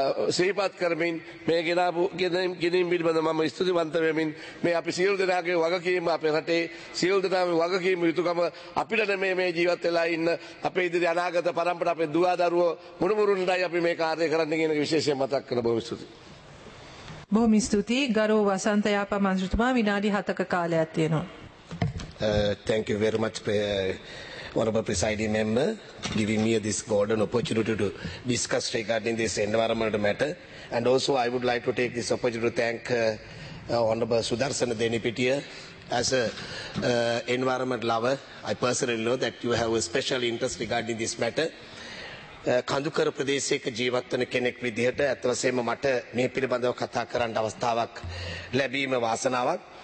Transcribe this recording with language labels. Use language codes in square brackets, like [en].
[si] සිහිපත් කරමින් මේ ගෙනාපු ගිනීම් පිළිබඳ මම ස්තුතිවන්ත වෙමින් මේ අපි සියලු දෙනාගේ වගකීම, අපේ රටේ සියලු දෙනාගේ වගකීම යුතුකම අපිට මේ ජීවත් වෙලා ඉන්න අපේ ඉදිරි අනාගත පරම්පර අපේ දුව දරුවෝ මුණුමුරුන්ටයි අපි මේ කාර්යය කරන්න කියන එක විශේෂයෙන් මතක් කරන බොහොම ස්තුතියි. බොහොම ස්තුතියි ගරු වසන්ත යාපා මන්ත්‍රීතුමා. විනාඩි 7ක කාලයක් තියෙනවා. [en] Thank you very much, honorable presiding member, giving me this golden opportunity to discuss regarding this environmental matter. And also I would like to take this opportunity to thank honorable Sudarsana Denipitiya. As a environment lover, I personally know that you have a special interest regarding this matter. [si] කඳුකර ප්‍රදේශයක ජීවත් වන කෙනෙක් විදිහට අත්වසෙම මට මේ පිළිබඳව කතා කරන්න අවස්ථාවක් ලැබීම වාසනාවක්.